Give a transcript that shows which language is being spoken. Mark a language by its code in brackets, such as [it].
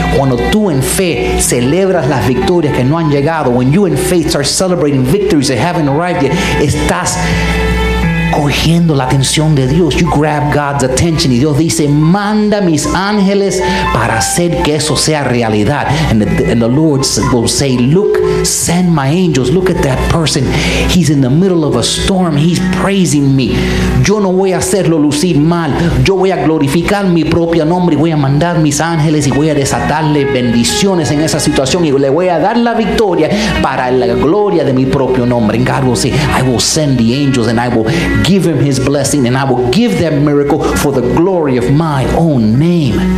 [es] cuando tú en fe celebras las victorias que no han llegado, [en] when you in faith start celebrating victories that haven't arrived yet, [es] estás cogiendo la atención de Dios. [en] You grab God's attention. [es] Y Dios dice, manda mis ángeles para hacer que eso sea realidad. [en] And the Lord will say, look, send my angels. Look at that person. He's in the middle of a storm. He's praising me. [es] Yo no voy a hacerlo lucir mal. Yo voy a glorificar mi propio nombre. Y voy a mandar mis ángeles y voy a desatarle bendiciones en esa situación. Y le voy a dar la victoria para la gloria de mi propio nombre. [en] And God will say, I will send the angels and I will give him his blessing, and I will give that miracle for the glory of my own name.